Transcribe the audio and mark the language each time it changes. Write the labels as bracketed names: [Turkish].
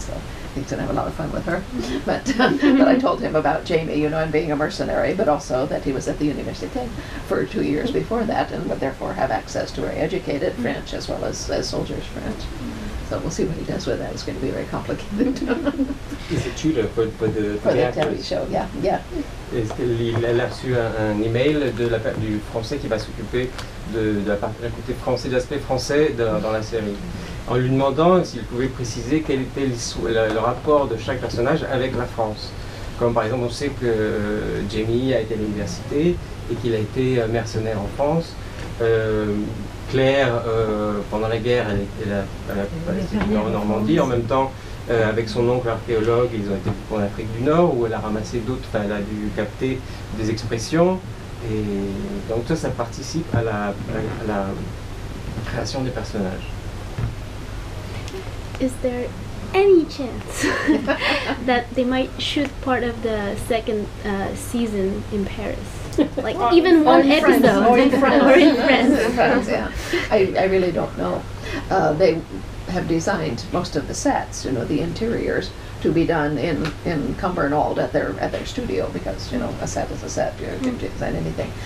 [English] So he's going to have a lot of fun with her. But I told him about Jamie, you know, and being a mercenary, but also that he was at the Université for 2 years before that, and would therefore have access to very educated French as well as soldier's French. So we'll see what he does with that. It's going to be very complicated. He's a tutor for the TV show, yeah. [French] Il a reçu un email du français qui va s'occuper de la partie française, de l'aspect français dans la série, en lui demandant s'il pouvait préciser quel était le rapport de chaque personnage avec la France. Comme par exemple, on sait que Jamie a été à l'université et qu'il a été mercenaire en France. Claire, pendant la guerre, elle a été en Normandie. En même temps, avec son oncle archéologue, ils ont été en Afrique du Nord, où elle a ramassé d'autres, elle a dû capter des expressions. Et donc ça participe à la création des personnages. [English] Is there any chance that they might shoot part of the second season in Paris? Like even one episode in France. Yeah. I really don't know. They have designed most of the sets, you know, the interiors, to be done in Cumbernauld at their studio, because, you know, a set is a set, you can design anything.